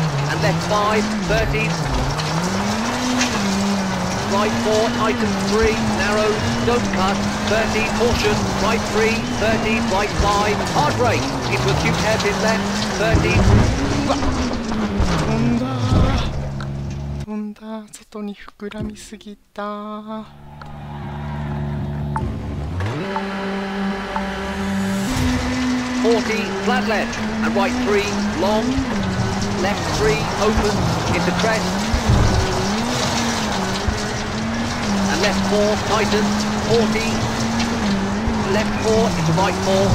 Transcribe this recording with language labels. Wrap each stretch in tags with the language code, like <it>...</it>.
<en>and left 5, 30, right 4, tighten, 3, narrow, don't cut, 30, caution, right 3, 30, right 5, hard brake, into acute hairpin left, 30,</en> <ja>飛んだ、外に膨らみすぎた。</ja> <en>40, flat left, and right 3, long, left 3, open, into crest, and left 4, tighten, 40, left 4, into right 4,</en>